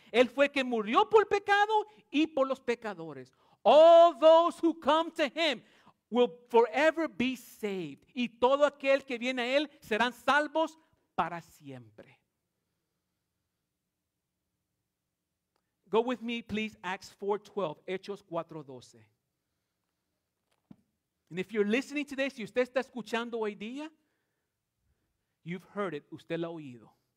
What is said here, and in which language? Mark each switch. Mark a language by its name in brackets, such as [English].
[Spanish] Él fue que murió por pecado y por los pecadores. [English] All those who come to him will forever be saved. [Spanish] Y todo aquel que viene a él serán salvos para siempre. [English] Go with me, please, Acts 4:12, Hechos 4:12. And if you're listening today, [Spanish] si usted está escuchando hoy día, [English] you've heard it, [Spanish] usted lo ha oído.